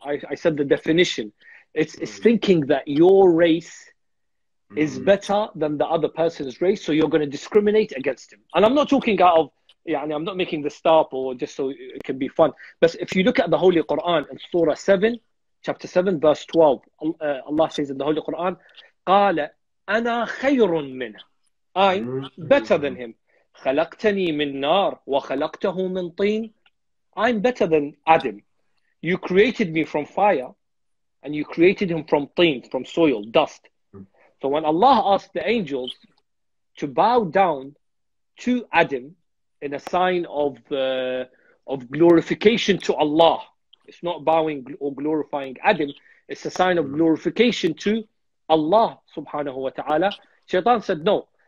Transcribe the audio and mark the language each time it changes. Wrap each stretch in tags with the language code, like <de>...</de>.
<en>I said the definition. It's thinking that your race is better than the other person's race, so you're going to discriminate against him. And I'm not talking out of, I'm not making this up or just so it can be fun. But if you look at the Holy Quran in Surah 7. Chapter 7, verse 12, Allah says in the Holy Quran,</en> <ar>قَالَ أَنَا خَيْرٌ مِنْهُ,</ar> <en>I'm better than him.</en> <ar>خَلَقْتَنِي مِنْ نَارٍ وَخَلَقْتَهُ مِنْ طِينٍ,</ar> <en>I'm better than Adam. You created me from fire, and you created him from طين, from soil, dust. So when Allah asked the angels to bow down to Adam in a sign of glorification to Allah, it's not bowing or glorifying Adam, it's a sign of glorification to Allah subhanahu wa ta'ala. Shaitan said no.</en>